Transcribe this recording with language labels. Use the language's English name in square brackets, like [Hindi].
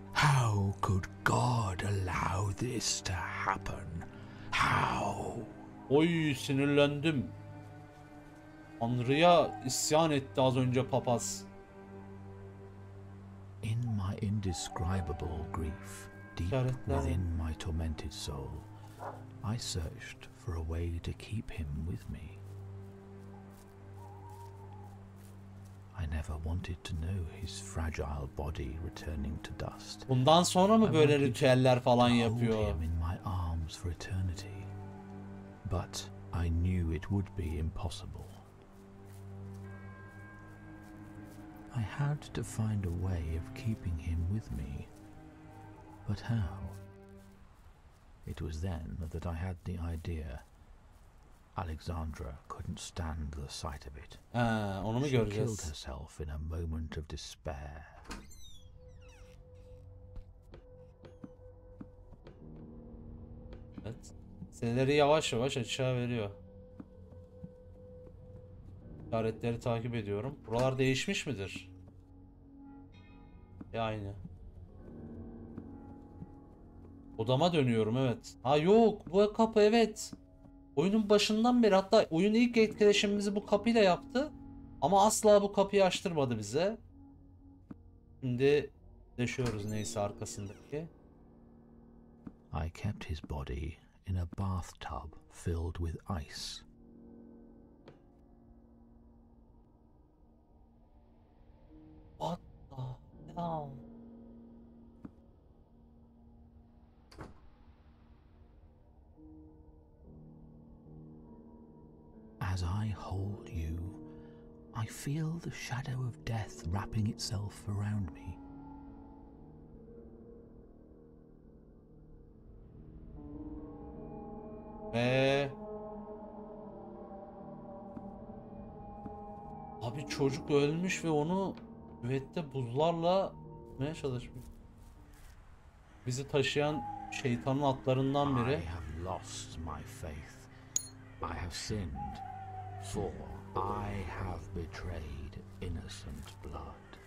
[English] How could God allow this to happen? How? [Turkish] Oy, sinirlendim. Tanrı'ya isyan etti az önce papaz. [English] In my indescribable grief, deep within my tormented soul, I searched for a way to keep him with me. I never wanted to know his fragile body returning to dust. [Turkish] Bundan sonra mı böyle ritüeller falan yapıyor? [English] I wanted to hold him in my arms for eternity, but I knew it would be impossible. I had to find a way of keeping him with me. But how? It was then that I had the idea. Alexandra couldn't stand the sight of it. [Turkish] Onu mu göreceğiz? [English] She killed herself in a moment of despair. [Turkish] Evet. Seneleri yavaş yavaş açığa veriyor. İşaretleri takip ediyorum. Buralar değişmiş midir? Ya aynı. Odama dönüyorum, evet. Ha yok, bu kapı, evet. Oyunun başından beri, hatta oyun ilk etkileşimimizi bu kapıyla yaptı. Ama asla bu kapıyı açtırmadı bize. Şimdi deşiyoruz neyse arkasındaki. [English] I kept his body in a bathtub filled with ice. What the? As I hold you, I feel the shadow of death wrapping itself around me. [Turkish] Abi çocuk ölmüş ve onu küvette buzlarla neye çalışmış? Bizi taşıyan şeytanın atlarından biri. [English] I have lost my faith. I have sinned. For I have betrayed innocent blood.